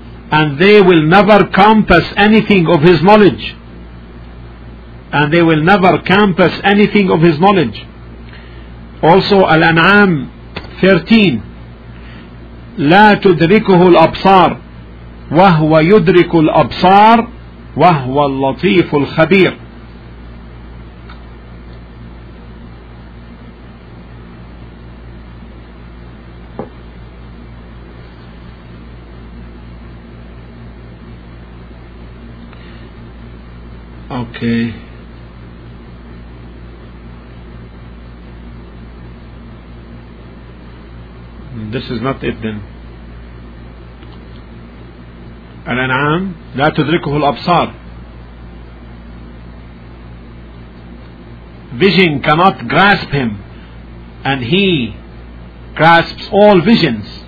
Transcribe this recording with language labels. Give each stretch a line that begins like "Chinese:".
English: And they will never compass anything of his knowledge. And they will never compass anything of his knowledge.
Arabic: Also Al-An'am 13, لا تدركه الأبصار وهو يدرك الأبصار وهو اللطيف الخبير.
English: Okay. This is not it then.
Arabic: Al-An'am, لا تدركه الأبصار.
English: Vision cannot grasp him, and he grasps all visions.